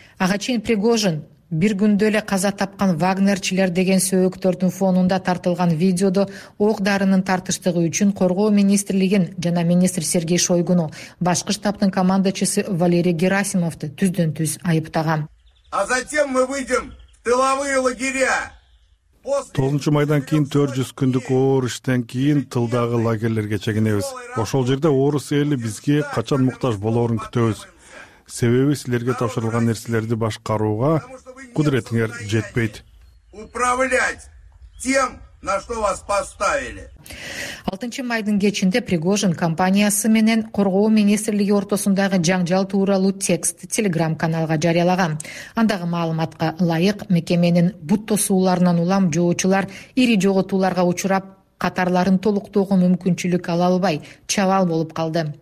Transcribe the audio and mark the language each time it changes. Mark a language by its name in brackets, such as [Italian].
[Kyrgyz] Ага чейин Пригожин бир күндө эле каза тапкан Вагнерчилер деген сөөктөрдүн фонунда тартылган видеодо ок дарынын тартыштыгы үчүн коргоо министрлигин жана министр Сергей Шойгуну, башкы штабтын командачысы Валерий Герасимовду түздөн түз айыптаган. [Russian] А затем мы выйдем в тыловые лагеря. [Kyrgyz] 9-майдан кийин 400 күндүк оор иштен кийин тылдагы лагерлерге чегинебиз. Ошол жерде орус эли бизге качан муктаж болорун күтөбүз. Себеби силерге тапшырылган нерселерди башкарууга кудуретиңер жетпейт. [Russian] Управлять тем, на что вас поставили. [Kyrgyz] 6-майдын кечинде Пригожин компаниясы менен коргоо министрлиги ортосундагы жаңжал тууралуу текст телеграм каналга жарыялаган. Андагы маалыматка ылайык, мекеменин буттосууларынан улам жоочулар ири жоготууларга учурап, катарларын толуктоого мүмкүнчүлүк ала албай чабал болуп калды.